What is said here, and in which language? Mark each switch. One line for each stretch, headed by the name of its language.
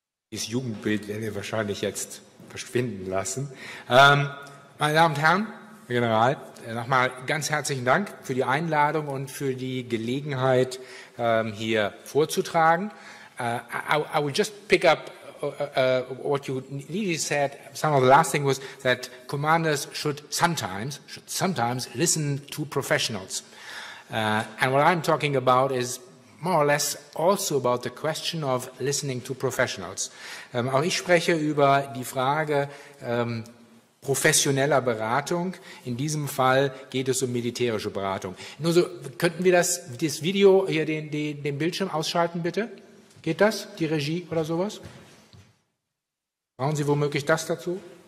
German: Dieses Jugendbild werden wir wahrscheinlich jetzt verschwinden lassen. Meine Damen und Herren, Herr General, nochmal ganz herzlichen Dank für die Einladung und für die Gelegenheit, hier vorzutragen.
English: I will just pick up what you really said. Some of the last thing was that commanders should sometimes listen to professionals. And what I'm talking about is more or less also about the question of listening to professionals.
German: Auch ich spreche über die Frage professioneller Beratung. In diesem Fall geht es um militärische Beratung. Nur so, könnten wir das Video hier, den Bildschirm ausschalten, bitte? Geht das, die Regie oder sowas? Brauchen Sie womöglich das dazu?